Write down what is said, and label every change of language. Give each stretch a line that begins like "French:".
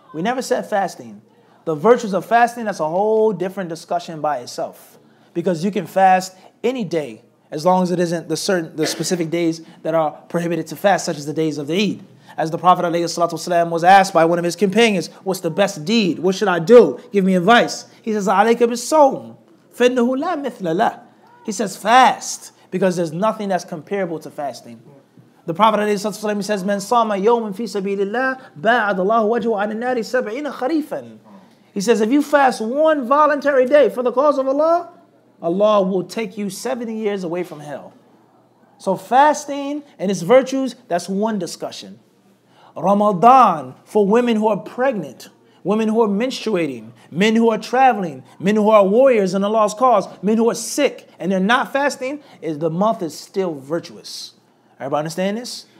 English: We never said fasting. The virtues of fasting, that's a whole different discussion by itself. Because you can fast any day, as long as it isn't the specific days that are prohibited to fast, such as the days of the Eid. As the Prophet ﷺ was asked by one of his companions, what's the best deed? What should I do? Give me advice. He says,
Arabic: عَلَيْكَ بِالصَّوْمِ فَإِنَّهُ لَا مِثْلَ لَهُ.
English: He says, fast, because there's nothing that's comparable to fasting. The Prophet ﷺ says,
Arabic: مَنْ صَامَ يَوْمٍ فِي سَبِيلِ اللَّهِ بَاعَدَ اللَّهُ وَجْهُ عَنِ النَّارِ سَبْعِينَ خَرِيفًا.
English: He says, if you fast one voluntary day for the cause of Allah, Allah will take you 70 years away from hell. So fasting and its virtues, that's one discussion. Ramadan, for women who are pregnant, women who are menstruating, men who are traveling, men who are warriors in Allah's cause, men who are sick and they're not fasting, is the month is still virtuous. Everybody understand this?